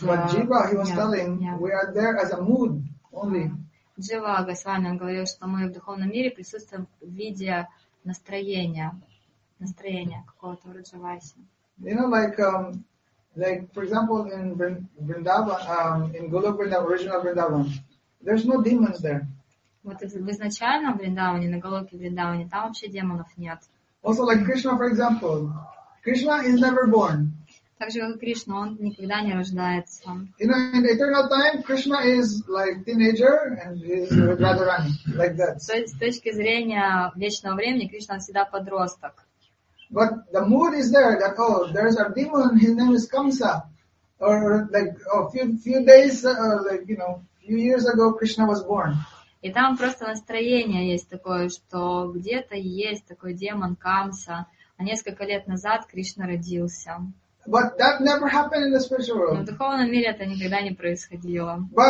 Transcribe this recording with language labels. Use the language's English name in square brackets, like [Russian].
[English] But Jiva, he was telling, we are there as a mood only. [Russian] Jiva, Госвами, он говорил, что мы в духовном мире присутствуем в виде настроения какого-то раджаваси. [English] You know, for example, in Vrindavan, in Golok Vrindavan, original Vrindavan, there's no demons there. [Russian] Вот в изначальном Вриндаване, на Голоке Вриндаване, там вообще демонов нет. [English] Also, Krishna, for example, Krishna is never born. [Russian] Так же, как и Кришна, он никогда не рождается. [English] In the eternal time, Krishna is teenager and he's Radharani, that. [Russian] То есть, с точки зрения вечного времени, Кришна всегда подросток. [English] But the mood is there, there's a demon, his name is Kamsa. Or few years ago, Krishna was born. [Russian] И там просто настроение есть такое, что где-то есть такой демон Камса, а несколько лет назад Кришна родился. [English] But that never happened in the spiritual world. [Russian] Но в духовном мире это никогда не происходило.